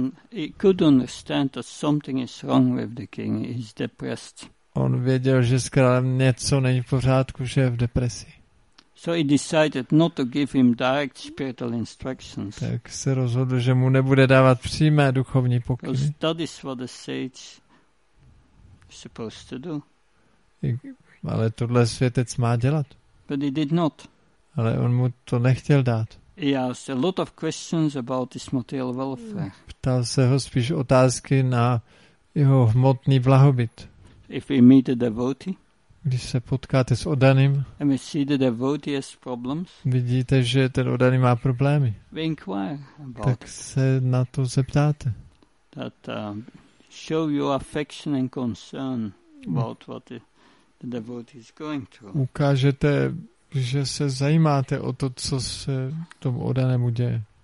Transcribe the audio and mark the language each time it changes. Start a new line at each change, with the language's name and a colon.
English: He could understand that something is wrong with the king. He's depressed.
Czech: On věděl, že s králem něco není v pořádku, že je v depresi.
English: So he decided not to give him direct spiritual instructions.
Czech: Tak se rozhodl, že mu nebude dávat přímé duchovní pokyny.
English: Because that is what the sage is supposed to do.
Czech: Ale tohle světec má dělat.
English: But he did not.
Czech: Ale on mu to nechtěl dát.
English: He asked a lot of questions about his material welfare.
Czech: Ptal se ho spíš otázky na jeho hmotný blahobyt.
English: If we meet a devotee,
Czech: když se potkáte s oddaným,
English: and we see the devotee has problems,
Czech: vidíte, že ten oddaný má problémy,
English: we inquire about
Czech: tak se na to zeptáte.
English: That show your affection and concern about what the devotee is going through.
Czech: Ukážete, že se zajímáte o to, co se tomu oddanému děje.